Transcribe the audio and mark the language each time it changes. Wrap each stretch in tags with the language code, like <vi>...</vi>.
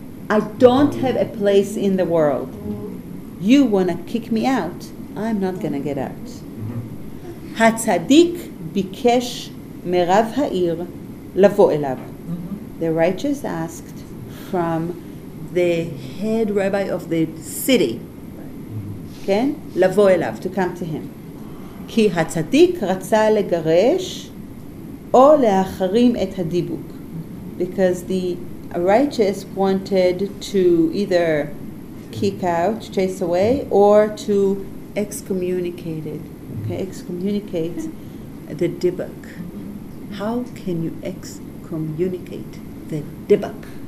<en>I don't have a place in the world. You want to kick me out. I'm not going to get out.</en> <he>הצדיק ביקש מרב העיר לבוא אליו.</he> <en>The righteous asked from the head rabbi of the city. כן?</en> <he>לבוא אליו,</he> <en>to come to him.</en> <he>כי הצדיק רצה לגרש או להחרים את הדיבוק.</he> <en>Because the righteous wanted to either kick out, chase away, or to excommunicate it. Okay? Excommunicate the dibuk. How can you excommunicate the dibuk?</en>